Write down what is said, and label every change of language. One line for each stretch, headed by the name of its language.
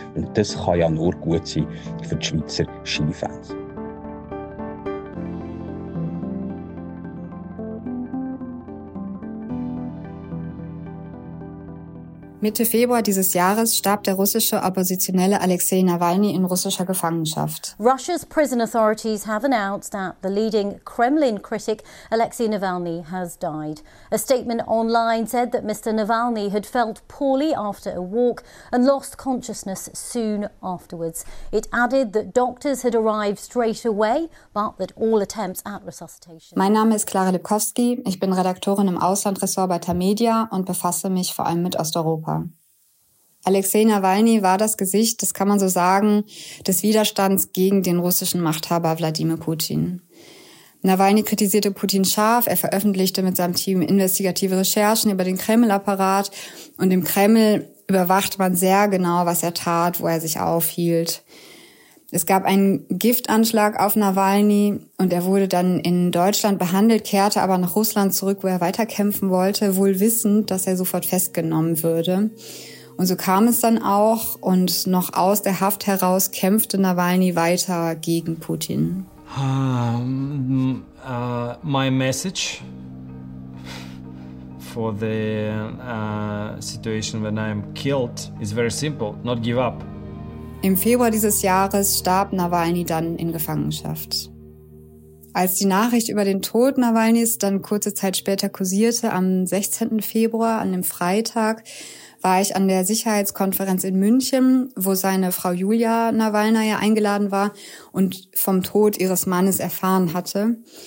German: Und das kann ja nur gut sein für die Schweizer Skifans. Mitte Februar dieses Jahres starb der russische Oppositionelle Alexei Nawalny in russischer Gefangenschaft.
English: Russia's prison authorities have announced that the leading Kremlin critic Alexei Navalny has died. A statement online said that Mr. Navalny had felt poorly after a walk and lost consciousness soon afterwards. It added that doctors had arrived straight away, but that all attempts at resuscitation.
German: Mein Name ist Clara Lipkowski. Ich bin Redakteurin im Auslandressort bei Tamedia und befasse mich vor allem mit Osteuropa. Alexei Nawalny war das Gesicht, das kann man so sagen, des Widerstands gegen den russischen Machthaber Wladimir Putin. Nawalny kritisierte Putin scharf, er veröffentlichte mit seinem Team investigative Recherchen über den Kreml-Apparat und im Kreml überwacht man sehr genau, was er tat, wo er sich aufhielt. Es gab einen Giftanschlag auf Nawalny und er wurde dann in Deutschland behandelt, kehrte aber nach Russland zurück, wo er weiterkämpfen wollte, wohl wissend, dass er sofort festgenommen würde. Und so kam es dann auch und noch aus der Haft heraus kämpfte Nawalny weiter gegen Putin.
English: My message for the situation when I'm killed is very simple, not give up.
German: Im Februar dieses Jahres starb Nawalny dann in Gefangenschaft. Als die Nachricht über den Tod Nawalnys dann kurze Zeit später kursierte, am 16. Februar, an dem Freitag, war ich an der Sicherheitskonferenz in München, wo seine Frau Julia Nawalny eingeladen war und vom Tod ihres Mannes erfahren hatte.